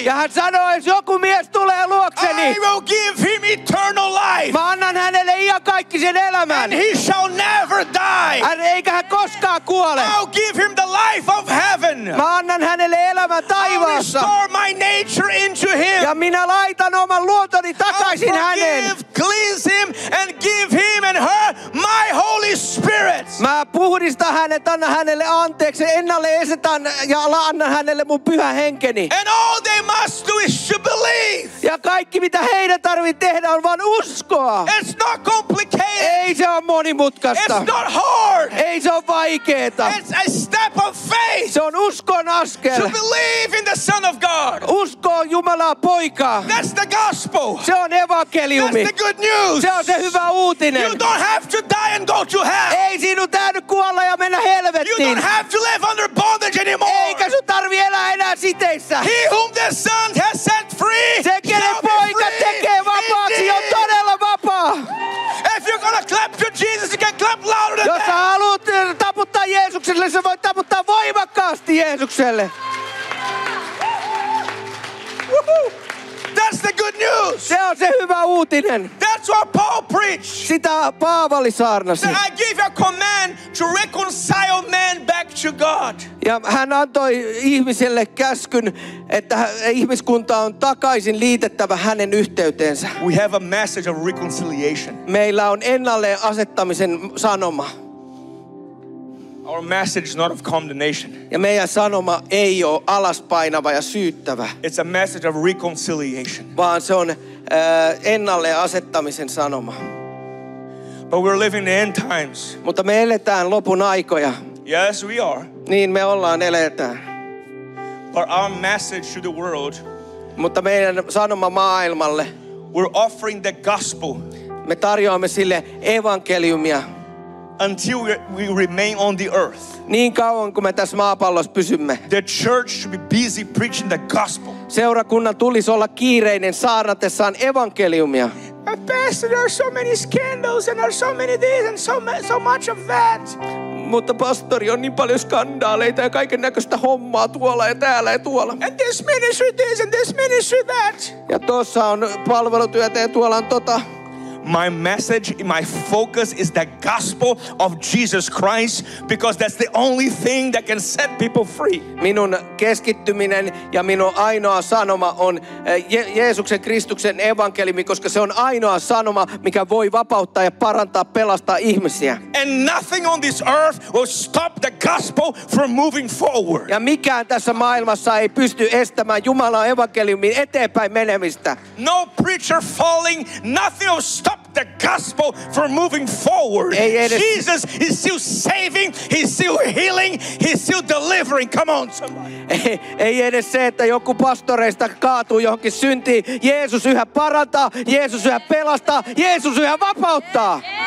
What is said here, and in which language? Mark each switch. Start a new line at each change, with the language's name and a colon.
Finnish: Ja hän sanoi, jos joku mies tulee luokseni.
English: I will give him eternal life.
Finnish: Mä annan hänelle iankaikkisen elämän.
English: And he shall never die.
Finnish: Hän eikä hän koskaan kuole.
English: I'll give him the life of heaven.
Finnish: Mä annan hänelle elämän taivaassa.
English: I'll restore my nature into him.
Finnish: Ja minä laitan oman luontoni takaisin häneen.
English: I'll forgive, cleanse him and give him and her my Holy Spirit.
Finnish: Mä puhdistan hänet, annan hänelle anteeksi, ennalle esetän ja annan hänelle mun pyhän henkeni.
English: And all they must do is to believe.
Finnish: Ja kaikki mitä heidän tarvitsee tehdä on vaan uskoa.
English: It's not complicated.
Finnish: Ei se ole monimutkaista.
English: It's not hard.
Finnish: Ei se ole vaikeeta.
English: It's a step of faith.
Finnish: Se on uskon askel.
English: To believe in the Son of God.
Finnish: Uskoa Jumalaa poikaa.
English: That's the gospel.
Finnish: Se on evankeliumi.
English: That's the good news.
Finnish: Se on se hyvä uutinen.
English: You don't have to die and go to hell.
Finnish: Ei sinun täytyy kuolla ja mennä helvettiin.
English: You don't have to live under bondage anymore.
Finnish: Eikä sun tarvi elää enää siteissä.
English: He whom the Son has set free.
Finnish: Se kenen poika tekee vapaaksi on todella vapaa.
English: If you're gonna clap to Jesus, you can clap louder than that.
Finnish: Jos sä haluut taputtaa Jeesukselle, sä voit taputtaa voimakkaasti Jeesukselle.
English: That's the good news.
Finnish: Se on se hyvä uutinen.
English: That's what Paul preached.
Finnish: Sitä Paavali saarnasi.
English: That I give a command to reconcile man back to God.
Finnish: Ja hän antoi ihmiselle käskyn, että ihmiskunta on takaisin liitettävä hänen yhteyteensä.
English: We have a message of reconciliation.
Finnish: Meillä on ennalleen asettamisen sanoma.
English: Our message is not of condemnation.
Finnish: Ja meidän sanoma ei ole alaspainava ja syyttävä.
English: It's a message of reconciliation.
Finnish: Vaan se on ennalle asettamisen sanoma.
English: But we're living the end times.
Finnish: Mutta me eletään lopun aikoja.
English: Yes, we are.
Finnish: Niin me ollaan eletään.
English: But our message to the world.
Finnish: Mutta meidän sanoma maailmalle.
English: We're offering the gospel.
Finnish: Me tarjoamme sille evankeliumia.
English: Until we remain on the earth.
Finnish: Niin kauan kuin me tässä maapallossa pysymme.
English: The church should be busy preaching the gospel.
Finnish: Seurakunnan tulisi olla kiireinen saarnatessaan evankeliumia.
English: Pastor, there are so many scandals and there are so many this and so much of that.
Finnish: mutta pastori, on niin paljon skandaaleita ja kaiken näköistä hommaa tuolla ja täällä ja tuolla.
English: And this ministry this and this ministry that.
Finnish: Ja tuossa on palvelutyötä ja tuolla on tota.
English: My message, my focus is the gospel of Jesus Christ because that's the only thing that can set people free.
Finnish: Minun keskittyminen ja minun ainoa sanoma on Jeesuksen Kristuksen evankeliumi, koska se on ainoa sanoma, mikä voi vapauttaa ja parantaa, pelastaa ihmisiä.
English: And nothing on this earth will stop the gospel from moving forward.
Finnish: Ja mikään tässä maailmassa ei pysty estämään Jumalan evankeliumin eteenpäin menemistä.
English: No preacher falling, nothing will stop. Stop the gospel from moving forward.
Finnish: Ei edes.
English: Jesus is still saving, he's still healing, he's still delivering. Come on, somebody.
Finnish: Ei edes se, että joku pastoreista kaatuu johonkin syntiin. Jeesus yhä parantaa, Jeesus yhä pelastaa, Jeesus yhä vapauttaa.